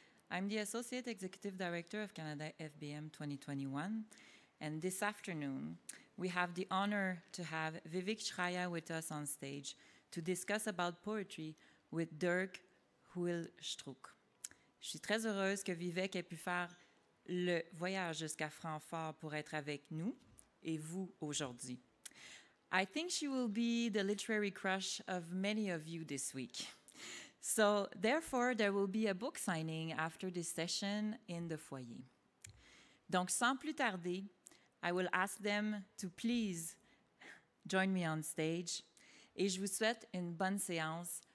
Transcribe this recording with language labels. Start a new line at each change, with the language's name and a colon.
English: I'm the Associate Executive Director of Canada FBM 2021, and this afternoon we have the honor to have Vivek Chraya with us on stage to discuss about poetry with Dirk Huilstruck.
French: Je suis très heureuse que Vivek ait pu faire le voyage jusqu'à Francfort pour être avec nous et vous aujourd'hui.
English: I think she will be the literary crush of many of you this week. So, therefore, there will be a book signing after this session in the foyer.
French: Donc, sans plus tarder,
English: I will ask them to please join me on stage.
French: Et je vous souhaite une bonne séance.